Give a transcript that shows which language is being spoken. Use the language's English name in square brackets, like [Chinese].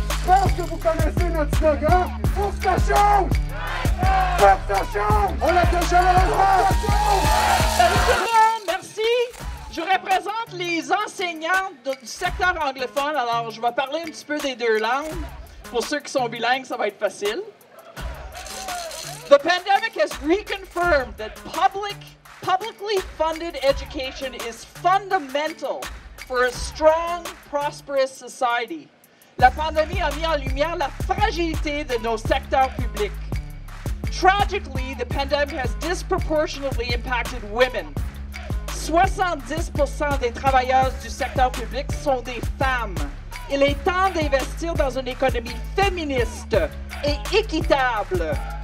[French] Je pense que vous connaissez notre slogan. Pour ça chauffe! Pour ça chauffe! On a déjà la France! Merci. Je représente les enseignants du secteur anglophone. Alors, je vais parler un petit peu des deux langues. Pour ceux qui sont bilingues, ça va être facile. [English] The pandemic has reconfirmed that publicly funded education is fundamental for a strong, prosperous society. [French] La pandémie a mis en lumière la fragilité de nos secteurs publics. [English] Tragically, the pandemic has disproportionately impacted women. [French] 70% des travailleuses du secteur public sont des femmes. Il est temps d'investir dans une économie féministe et équitable.